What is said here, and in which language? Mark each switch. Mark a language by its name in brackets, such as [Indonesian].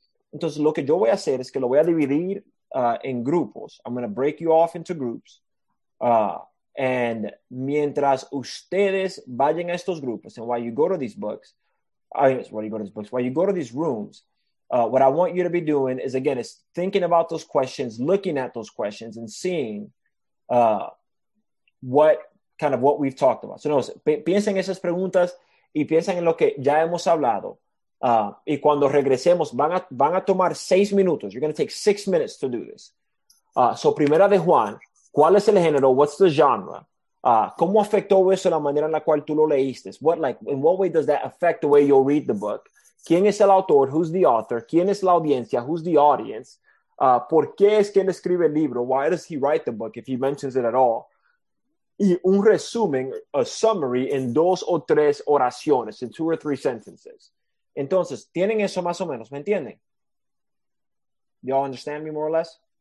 [Spanish] Entonces, lo que yo voy a hacer es que lo voy a dividir en grupos. [English] I'm going to break you off into groups. And [Spanish] mientras ustedes vayan a estos grupos, [English] and while you go to these books, while you go to these rooms, what I want you to be doing is, again, is thinking about those questions, looking at those questions, and seeing what we've talked about. So, no, [Spanish] piensen esas preguntas y piensen en lo que ya hemos hablado. Y cuando regresemos, van a tomar 6 minutos. [English] You're going to take 6 minutes to do this. [Spanish] So, Primera de Juan, ¿cuál es el género? [English] What's the genre? [Spanish] ¿Cómo afectó eso la manera en la cual tú lo leíste? [English] What, like, in what way does that affect the way you'll read the book? [Spanish] ¿Quién es el autor? [English] Who's the author? [Spanish] ¿Quién es la audiencia? [English] Who's the audience? [Spanish] ¿Por qué es que él escribe el libro? [English] Why does he write the book if he mentions it at all? [Spanish] Y un resumen, [English] a summary, [Spanish] en 2 o 3 oraciones, [English] in 2 or 3 sentences. [Spanish] Entonces, ¿tienen eso más o menos? ¿Me entienden? [English] ¿Y'all understand me more or less?